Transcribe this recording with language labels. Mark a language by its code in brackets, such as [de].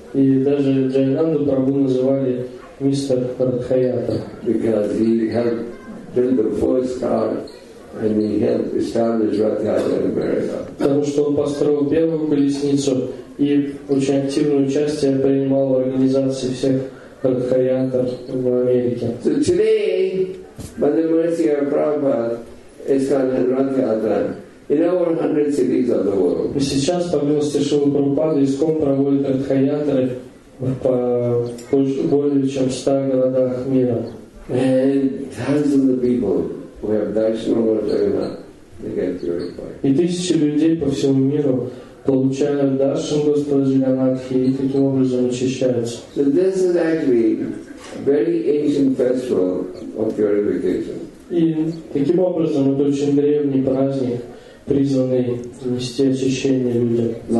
[ru] И даже Джайнанду Прабху называли мистер Радхаятра. [en] Because he helped build the first car and he helped establish Radhayatra in America. [ru] Потому что он построил первую колесницу и очень активное участие принимал в организации всех Радхаятр в Америке. [en] So today, by the mercy of Prabhupada, ISKCON has Radhayatra in over 100 cities of the world. [ru] И сейчас, по милости Шрилы Прабхупады, ISKCON проводит Радхаятры по более чем 100 городах мира. [en] And thousands of people who have darshanam of Jagannath, they get purified. [ru] И тысячи людей по всему миру получают даршан Господа Джаганатхи и таким образом очищаются. [en] So this is actually a very ancient festival of purification. [ru] И таким образом это очень древний праздник, призванный нести очищение людям.